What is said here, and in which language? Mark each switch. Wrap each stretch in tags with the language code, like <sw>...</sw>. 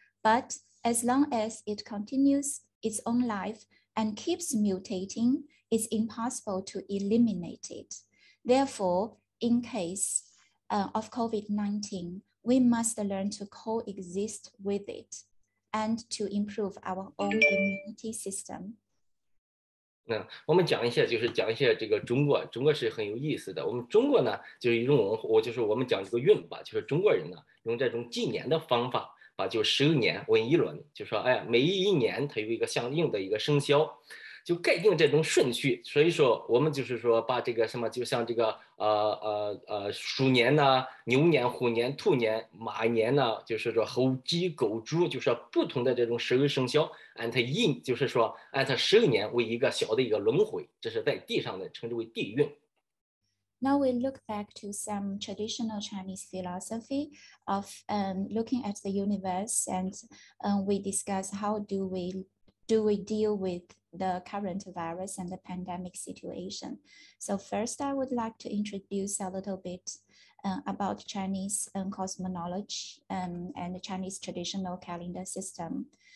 <en>But as long as it continues its own life and keeps mutating, it's impossible to eliminate it. Therefore, in case of COVID-19, we must learn to coexist with it and to improve our own immunity system.</en> <zh>我们讲一下，就是讲一下这个中国。中国是很有意思的。我们中国呢，就是一种文化，就是我们讲这个运吧，就是中国人呢，用这种纪年的方法。就十二年问一轮，就说哎呀，每一年它有一个相应的一个生肖，就概定这种顺序。所以说我们就是说把这个什么，就像这个鼠年呢、牛年、虎年、兔年、马年呢，就是说猴鸡狗猪，就是不同的这种十二生肖，按它一就是说按它十二年为一个小的一个轮回，这是在地上的称之为地运。</zh> <en>Now we look back to some traditional Chinese philosophy of looking at the universe, and we discuss how do we deal with the current virus and the pandemic situation. So first, I would like to introduce a little bit about Chinese cosmology and the Chinese traditional calendar system.</en>